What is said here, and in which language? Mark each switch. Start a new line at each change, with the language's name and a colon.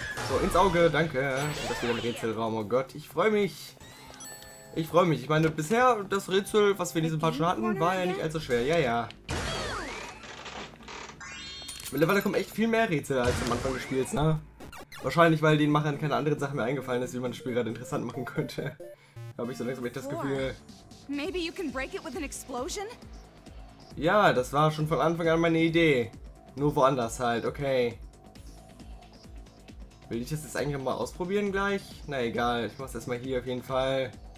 German: So, ins Auge, danke. Und das wieder ein Rätselraum. Oh Gott, ich freue mich. Ich freue mich. Ich meine, bisher das Rätsel, was wir in diesem Part schon hatten, war ja nicht allzu schwer. Ja, ja. Mittlerweile kommen echt viel mehr Rätsel als am Anfang des Spiels, ne? Wahrscheinlich, weil den Machern keine anderen Sachen mehr eingefallen ist, wie man das Spiel gerade interessant machen könnte. Habe ich so langsam echt das Gefühl.
English: Maybe you can break it with an explosion?
German: Ja, das war schon von Anfang an meine Idee. Nur woanders halt, okay. Will ich das jetzt eigentlich mal ausprobieren gleich? Na egal, ich mach's erstmal hier auf jeden Fall.